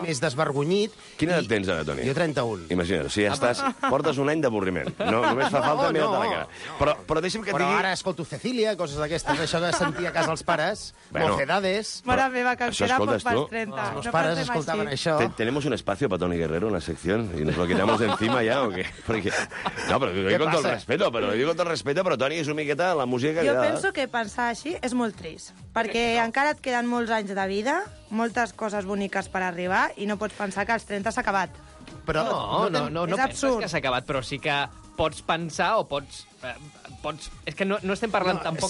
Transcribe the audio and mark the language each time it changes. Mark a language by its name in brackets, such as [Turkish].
[Catalan] Més desvergonyit. Quina edat tens ara, Toni? Jo 31. Imagina't, o sigui, estàs... Portes un any d'avorriment. No, només fa falta mirar-te la cara. Però deixa'm que et digui... Però ara escolto Cecília, coses d'aquestes, això de sentir a casa els pares, mocedades... Mare meva, que això escoltes tu? Els pares escoltaven això. [Spanish] Tenemos un espacio para Toni Guerrero en la sección y nos lo quitamos encima ya, o qué? Porque... No, pero digo con todo el respeto, pero Toni [Catalan] és una miqueta la música que... Jo penso que pensar així és molt trist, perquè encara et queden molts anys de vida, moltes coses boniques per arribar, i no pots pensar que als 30 s'ha acabat. Però no penses que s'ha acabat, però sí que pots pensar o pots... Pots... És que no estem parlant tampoc